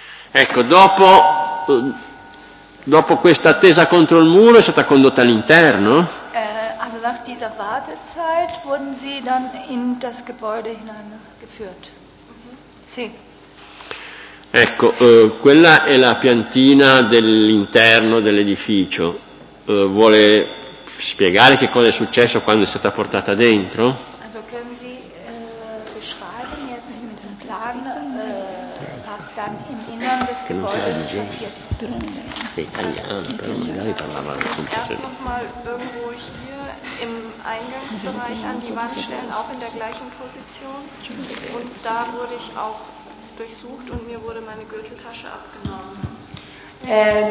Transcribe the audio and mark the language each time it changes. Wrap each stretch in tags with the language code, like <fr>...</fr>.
<it>Ecco, dopo questa attesa contro il muro è stata condotta all'interno?</it> <de>Also nach dieser Wartezeit wurden sie dann in das Gebäude hineingeführt.</de> <it>Sì. Ecco, quella è la piantina dell'interno dell'edificio. Vuole spiegare che cosa è successo quando è stata portata dentro?</it> <de>Also können Sie beschreiben jetzt mit dem Plan, was dann im Innern des Gebäudes passiert ist?</de> <it>Che non c'era italiano, però magari parlava anche in italiano.</it> <de>Erst nochmal irgendwo hier im Eingangsbereich an die Wand stellen, auch in der gleichen Position. Und da wurde ich auch durchsucht und mir wurde meine Gürteltasche abgenommen.</de>